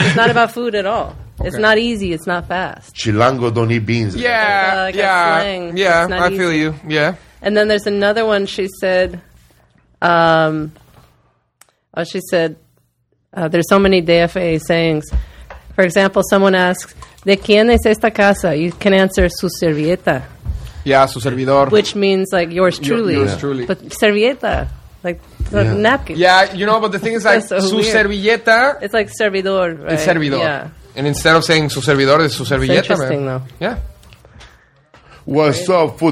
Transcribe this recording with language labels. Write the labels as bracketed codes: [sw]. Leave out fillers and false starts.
[en] It's not about food at all. Okay. It's not easy. It's not fast. Chilango don't eat beans. Yeah, I feel you. Yeah. And then there's another one she said... she said, there's so many DFA sayings. For example, someone asks, [es] ¿De quién es esta casa? [en] You can answer, [es] su servieta. [en] Yeah, [es] su servidor. [en] Which means, like, yours truly. Yours truly. But servieta, like, napkin. Yeah, you know, but the thing is, like, so su weird. Servilleta. It's like servidor, right? It's servidor. Yeah. And instead of saying [es] su servidor, [en] it's [es] su servilleta, [en] it's interesting, man. Though. Yeah. What's up, fool?